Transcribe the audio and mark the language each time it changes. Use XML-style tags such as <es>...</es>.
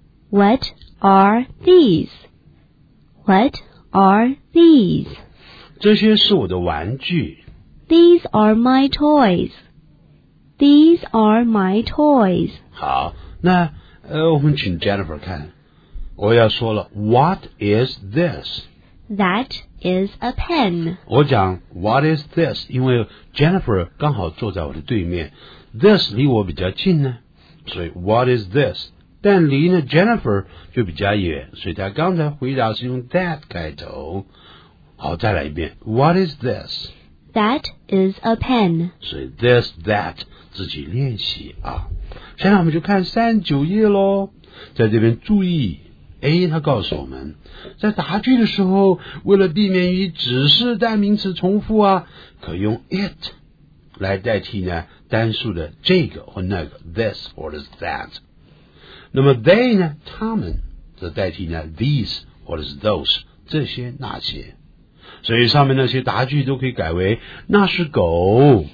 <en>What are these? What are these?</en> <zh>这些是我的玩具。</zh> <en>These are my toys. These are my toys.</en> <zh>好，那我们请 Jennifer 看。我要说了 ,</zh> <en>What is this? That is a pen.</en> <zh>我讲</zh> <en>What is this?</en> <zh>因为 Jennifer 刚好坐在我的对面。This 离我比较近呢。所以</zh> <en>what is this?</en> <zh>但离呢 Jennifer 就比较远，所以他刚才回答是用 that 开头。好，再来一遍</zh> <en>what is this? That is a pen.</en> <zh>所以 this, that 自己练习啊。现在我们就看39页咯，在这边注意 A 他告诉我们，在答句的时候，为了避免与指示代名词重复啊，可用 it 来代替呢单数的这个或那个</zh> <en>this or is that，</en> <zh>那么 they 呢他们则代替呢</zh> <en>these or is those</en> <zh>这些那些，所以上面那些答句都可以改为那是狗</zh>